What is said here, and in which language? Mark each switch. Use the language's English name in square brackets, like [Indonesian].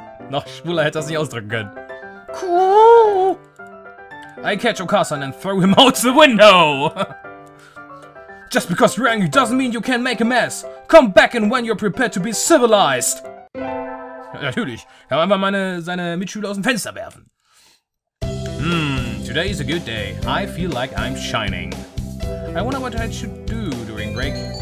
[German] Noch schwuler hätte das nicht ausdrücken können. Cool! [English] I catch Okasan and throw him out the window. Just because you're angry doesn't mean you can't make a mess. Come back and when you're prepared to be civilized. [German] Natürlich. Ich kann einfach seine Mitschüler aus dem Fenster werfen. [English] Today is a good day. I feel like I'm shining. I wonder what I should do during break.